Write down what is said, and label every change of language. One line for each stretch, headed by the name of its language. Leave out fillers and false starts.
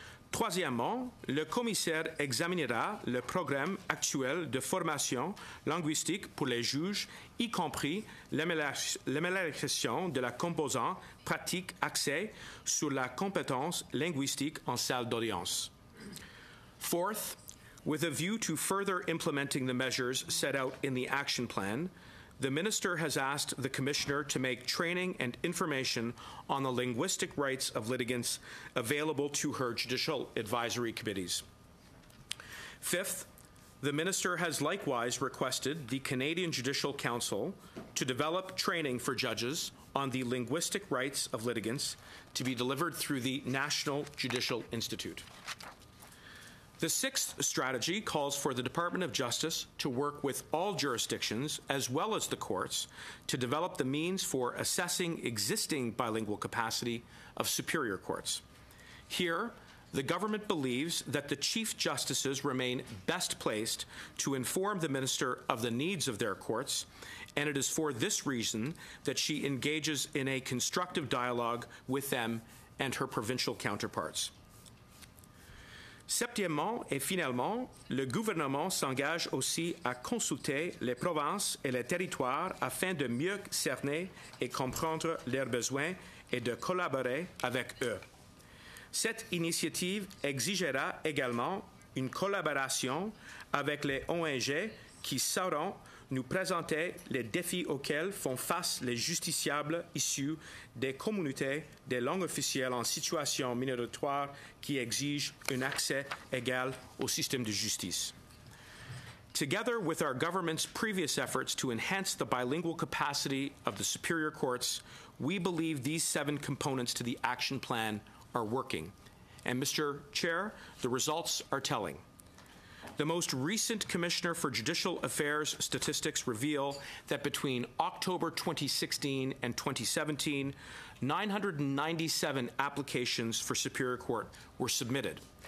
French: Troisièmement, le commissaire examinera le programme actuel de formation linguistique pour les juges, y compris l'amélioration de la composante pratique axée sur la compétence linguistique en salle d'audience.
English: Fourth, with a view to further implementing the measures set out in the action plan, the Minister has asked the Commissioner to make training and information on the linguistic rights of litigants available to her judicial advisory committees. Fifth, the Minister has likewise requested the Canadian Judicial Council to develop training for judges on the linguistic rights of litigants to be delivered through the National Judicial Institute. The sixth strategy calls for the Department of Justice to work with all jurisdictions, as well as the courts, to develop the means for assessing existing bilingual capacity of superior courts. Here, the government believes that the Chief Justices remain best placed to inform the Minister of the needs of their courts and it is for this reason that she engages in a constructive dialogue with them and her provincial counterparts.
French: Septièmement et finalement, le gouvernement s'engage aussi à consulter les provinces et les territoires afin de mieux cerner et comprendre leurs besoins et de collaborer avec eux. Cette initiative exigera également une collaboration avec les ONG qui sauront nous présenter les défis auxquels font face les justiciables issus des communautés des langues officielles en situation minoritaire qui exigent un accès égal au système de justice.
English: Together with our government's previous efforts to enhance the bilingual capacity of the superior courts, we believe these seven components to the action plan are working. And Mr. Chair, the results are telling. The most recent Commissioner for Judicial Affairs statistics reveal that between October 2016 and 2017, 997 applications for Superior Court were submitted.